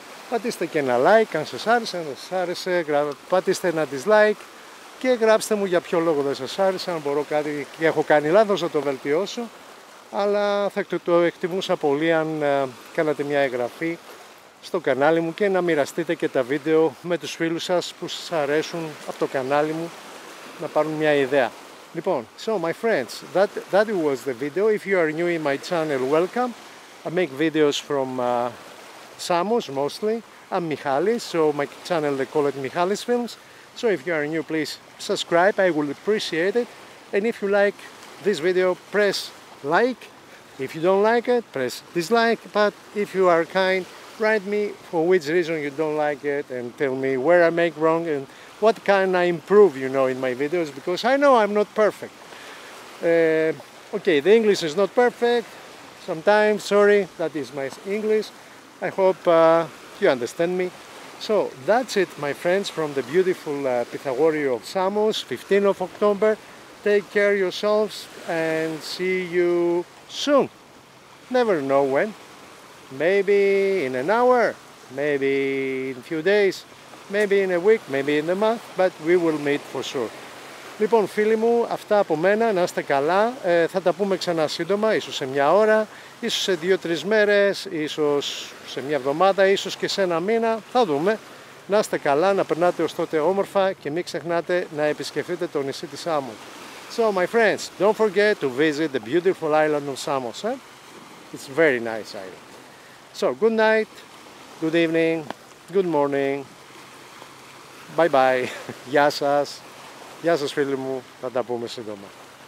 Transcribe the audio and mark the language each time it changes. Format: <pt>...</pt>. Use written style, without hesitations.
<el>Πατήστε και ένα like αν σας άρεσε, πατήστε ένα dislike και γράψτε μου για ποιο λόγο δεν σας άρεσε, αν μπορώ κάτι και έχω κάνει λάθος να το βελτιώσω. Αλλά θα το εκτιμούσα πολύ αν κάνατε μια εγγραφή στο κανάλι μου και να μοιραστείτε και τα βίντεο με τους φίλους σας που σας αρέσουν από το κανάλι μου, να πάρουν μια ιδέα.</el> <en>Λοιπόν, so my friends, that was the video. If you are new in my channel, welcome. I make videos from Samos mostly. I'm Michalis, so my channel they call it Michalis Films. So if you are new, please subscribe, I will appreciate it. And if you like this video, press like. If you don't like it, press dislike. But if you are kind, write me for which reason you don't like it and tell me where I make wrong and what can I improve, you know, in my videos, because I know I'm not perfect. Okay, the English is not perfect sometimes, sorry, that is my English. I hope you understand me. So that's it, my friends, from the beautiful Pythagorean of Samos, 15th of October. Take care yourselves and see you soon. Never know when. Maybe in an hour, maybe in a few days, maybe in a week, maybe in a month, but we will meet for sure.</en> <el>Λοιπόν, φίλοι μου, αυτά από μένα, να είστε καλά. Θα τα πούμε ξανά σύντομα, ίσως σε μια ώρα, ίσως σε 2-3 μέρες, ίσως σε μια εβδομάδα, ίσως και σε ένα μήνα. Θα δούμε. Να είστε καλά, να περνάτε ως τότε όμορφα και μην ξεχνάτε να επισκεφτείτε το νησί της Σάμου.</el> <en>So, my friends, don't forget to visit the beautiful island of Samos. Eh? It's a very nice island. So, good night, good evening, good morning, bye bye,</en> <el>γεια σας, φίλοι μου, θα τα πούμε σύντομα.</el>